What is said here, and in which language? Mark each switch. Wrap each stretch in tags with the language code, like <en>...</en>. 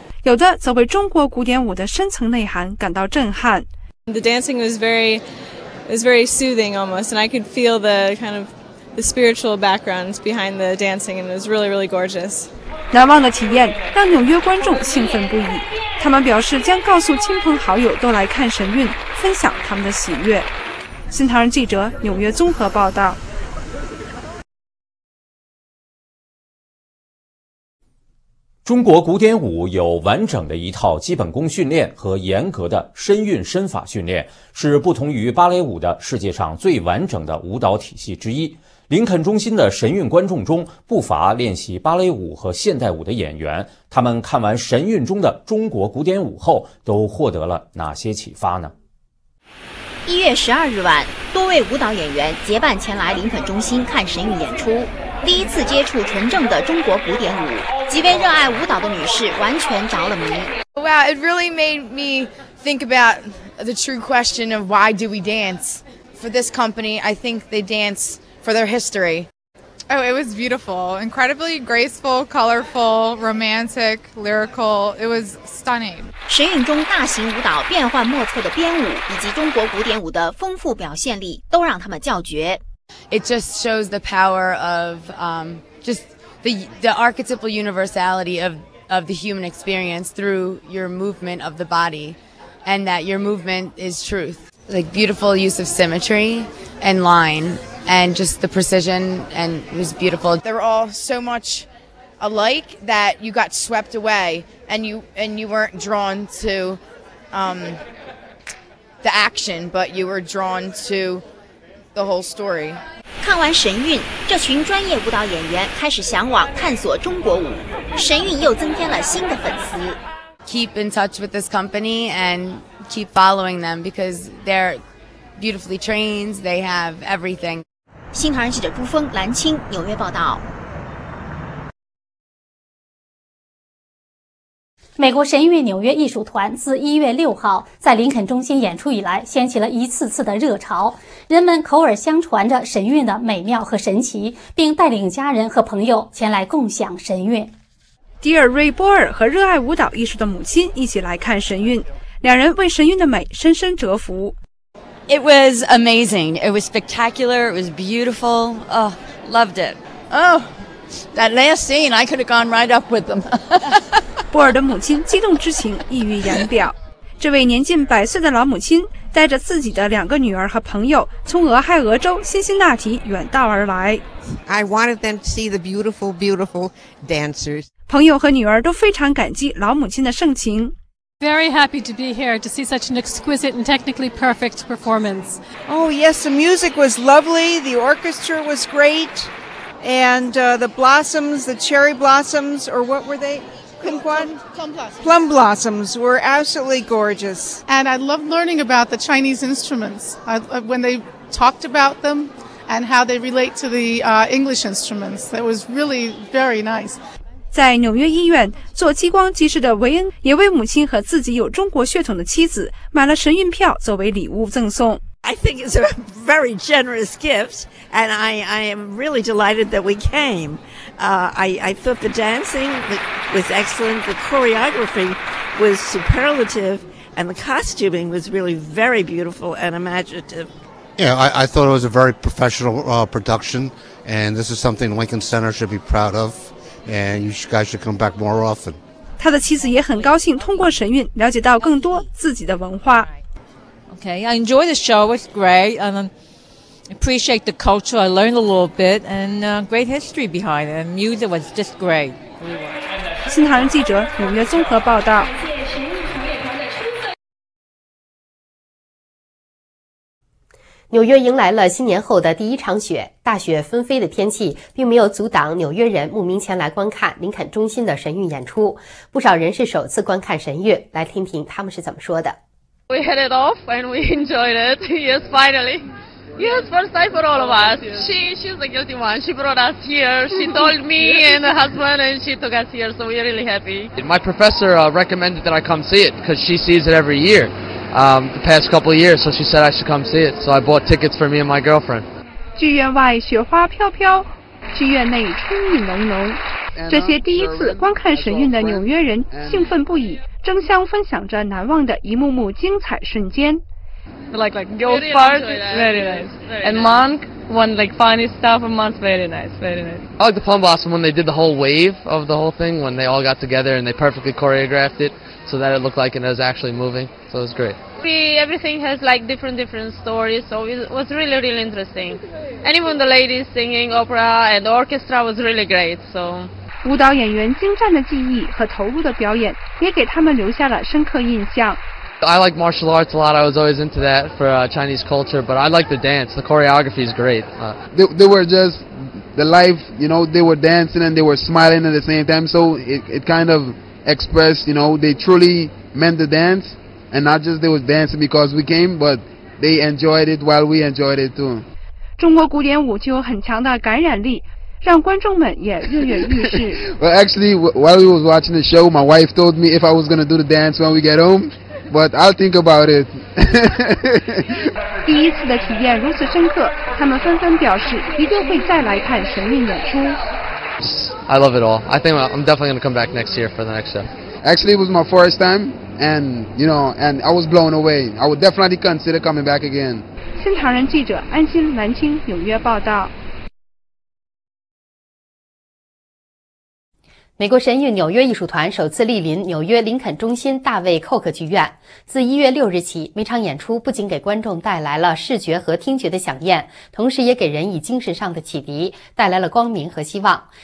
<zh>有的则为中国古典舞的深层内涵感到震撼。</zh> <en>The dancing was very soothing almost, and I could feel the kind of the spiritual backgrounds behind the dancing, and it was really, really gorgeous.</en> <zh>难忘的体验让纽约观众兴奋不已，他们表示将告诉亲朋好友都来看神韵，分享他们的喜悦。新唐人记者纽约综合报道。中国古典舞有完整的一套基本功训练和严格的身韵身法训练，是不同于芭蕾舞的世界上最完整的舞蹈体系之一。林肯中心的神韵观众中不乏练习芭蕾舞和现代舞的演员，他们看完神韵中的中国古典舞后都获得了哪些启发呢？一月十二日晚，多位舞蹈演员结伴前来林肯中心看神韵演出，第一次接触纯正的中国古典舞，几位热爱舞蹈的女士完全着了迷。</zh> <en>Wow, it really made me think about the true question of why do we dance? For this company, I think they dance for their history. Oh, it was beautiful, incredibly graceful, colorful, romantic, lyrical. It was stunning.</en> <zh>神韵中大型舞蹈变幻莫测的编舞，以及中国古典舞的丰富表现力，都让他们叫绝。</zh> <en>It just shows the power of just the archetypal universality of the human experience through your movement of the body, and that your movement is truth. Like beautiful use of symmetry and line. And just the precision, and it was beautiful. They were all so much alike that you got swept away, and you weren't drawn to the action, but you were drawn to the whole story.</en> <zh>看完神韵，这群专业舞蹈演员开始向往探索中国舞。神韵又增添了新的粉丝。</zh> <en>Keep in touch with this company and keep following them because they're beautifully trained. They have everything.</en> <zh>新唐人记者朱峰、蓝青纽约报道。美国神韵纽约艺术团自1月6号在林肯中心演出以来，掀起了一次次的热潮，人们口耳相传着神韵的美妙和神奇，并带领家人和朋友前来共享神韵。迪尔瑞波尔和热爱舞蹈艺术的母亲一起来看神韵，两人为神韵的美深深折服。</zh> <en>It was amazing. It was spectacular. It was beautiful. Oh, loved it. Oh, that last scene, I could have gone right up with them.</en> <zh>波尔的母亲激动之情溢于言表。这位年近百岁的老母亲带着自己的两个女儿和朋友从俄亥俄州辛辛那提远道而来。</zh> <en>I wanted them to see the beautiful, beautiful dancers.</en> <zh>朋友和女儿都非常感激老母亲的盛情。</zh> <en>Very happy to be here to see such an exquisite and technically perfect performance. Oh yes, the music was lovely, the orchestra was great, and the blossoms, the cherry blossoms, or what were they? Plum blossoms were absolutely gorgeous. And I loved learning about the Chinese instruments, when they talked about them and how they relate to the English instruments. That was really very nice.</en> <zh>在纽约医院做激光技师的维恩也为母亲和自己有中国血统的妻子买了神韵票作为礼物赠送。</zh> <en>I think it's a very generous gift, and I am really delighted that we came. I thought the dancing was excellent, the choreography was superlative, and the costuming was really very beautiful and imaginative. Yeah, I thought it was a very professional production, and this is something Lincoln Center should be proud of. And you guys should come back more often.</en> <zh>他的妻子也很高兴通过神韵了解到更多自己的文化。</zh> <en>Okay, I enjoy the show. It's great. And I appreciate the culture. I learned a little bit. And great history behind it. And music was just great.</en> <zh>新唐人记者纽约综合报道。纽约迎来了新年后的第一场雪，大雪纷飞的天气并没有阻挡纽约人慕名前来观看林肯中心的神韵演出。不少人是首次观看神韵，来听听他们是怎么说的。</zh> <en>We hit it off and we enjoyed it. Yes, finally. Yes, first time for all of us. She's the guilty one. She brought us here. She told me and her husband and she took us here, so we're really happy. My professor recommended that I come see it because she sees it every year. The past couple of years, so she said I should come see it. So I bought tickets for me and my girlfriend.</en> <zh>剧院外雪花飘飘，剧院内春意浓浓。这些第一次观看神韵的纽约人兴奋不已，争相分享着难忘的一幕幕精彩瞬间。</zh> <en>Like your part, very nice. And Monk, one like finest stuff of Monk, very nice, very nice. I like the Plum Blossom when they did the whole wave of the whole thing when they all got together and they perfectly choreographed it. So that it looked like it was actually moving. So it was great. Everything has like different stories. So it was really, really interesting. And even the ladies singing opera and orchestra was really great. So.</en> <zh>舞蹈演员精湛的技艺和投入的表演也给他们留下了深刻印象。</zh> <en>I like martial arts a lot. I was always into that for Chinese culture. But I like the dance. The choreography is great. They were just the life, you know, they were dancing and they were smiling at the same time. So it kind of... Express, you know, they truly meant the dance, and not just they were dancing because we came, but they enjoyed it while we enjoyed it too.</en> <zh>中国古典舞就有很强的感染力，让观众们也跃跃欲试。</zh> <en>Well, actually, while we was watching the show, my wife told me if I was gonna do the dance when we get home, but I'll think about it.</en> <zh>第一次的体验如此深刻，他们纷纷表示一定会再来看神韵演出。</zh> <en>I love it all. I think I'm definitely going to come back next year for the next show. Actually, it was my first time, and you know, and I was blown away. I would definitely consider coming back again.</en> <zh>新唐人记者安心南青纽约报道。美国神韵纽约艺术团首次莅临纽约林肯中心大卫寇克剧院。自1月6日起，每场演出不仅给观众带来了视觉和听觉的响宴，同时也给人以精神上的启迪，带来了光明和希望。</zh>